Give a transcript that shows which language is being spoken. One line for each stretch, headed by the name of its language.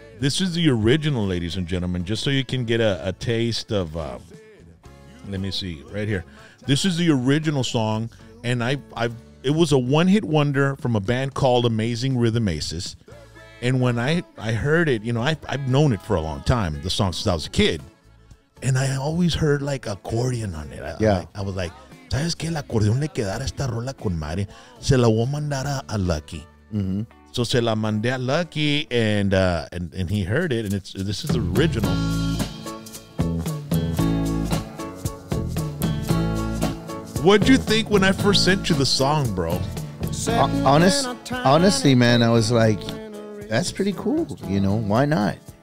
English: This is the original, ladies and gentlemen, just so you can get a taste of, let me see, right here. This is the original song, and it was a one-hit wonder from a band called Amazing Rhythm Aces. And when I heard it, you know, I've known it for a long time, the song, since I was a kid. And I always heard, like, accordion on it. Yeah. I was like,
Spanish: ¿sabes qué? El acordeón le quedara esta rola con Mari. Se la voy a mandar a Lucky. Mm-hmm.
English: So
Spanish: se la mandé a
English: Lucky, and he heard it, and this is the original. What'd you think when I first sent you the song, bro? Honestly, man, I was like, that's pretty cool, you know, why not?